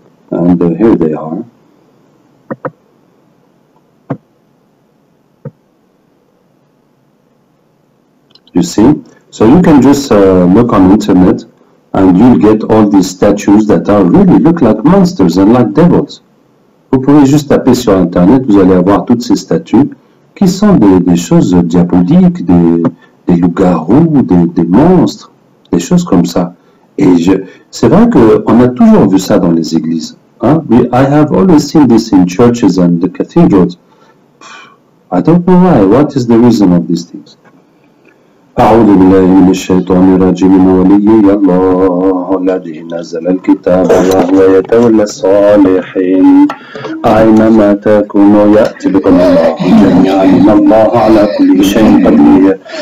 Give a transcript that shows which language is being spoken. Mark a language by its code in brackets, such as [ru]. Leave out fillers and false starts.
[en] And here they are. You see? So you can just look on the internet. And you'll get all these statues that are really look like monsters and like devils. [fr] Vous pouvez juste taper sur internet, vous allez avoir toutes ces statues qui sont des choses diaboliques, des loups-garous, des monstres, des choses comme ça. Et c'est vrai qu'on a toujours vu ça dans les églises. Hein? [en] I have always seen this in churches and the cathedrals. I don't know why. What is the reason of these things? [ar] أعوذ بالله من الشيطان الرجيم ولي الله الذي نزل الكتاب وهو يتولى الصالحين أينما تكونوا يأتي بكم الله جميعا إن الله على كل شيء قدير